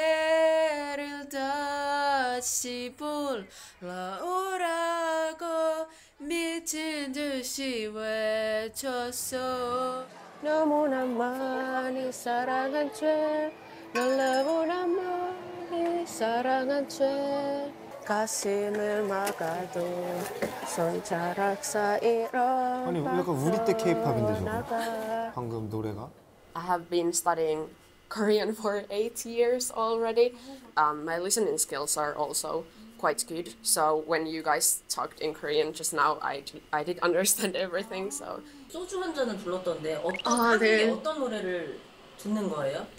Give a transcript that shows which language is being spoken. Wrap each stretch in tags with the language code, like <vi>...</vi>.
<ko>그대를 다시 불러 오라고 미친 듯이 외쳤어 너무나 많이 사랑한 죄 너무나 많이 사랑한 죄 가슴을 막아도 손자락 사이로 아니 약간 우리 때 K-팝인데 저거 방금 노래가</ko> <en>I have been studying Korean for 8 years already. My listening skills are also quite good. So when you guys talked in Korean just now, I did understand everything. So</en> <ko>소주 한 잔을 불렀던데 어떤 아, 네. 어떤 노래를 듣는 거예요?</ko>